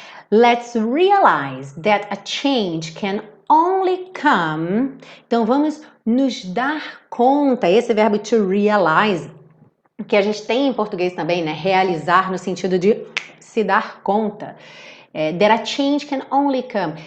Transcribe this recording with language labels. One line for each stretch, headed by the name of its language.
English: Let's realize that a change can only come.
Portuguese: Então vamos nos dar conta, esse verbo to realize. Que a gente tem em português também, né? Realizar no sentido de se dar conta.
English: That a change can only come.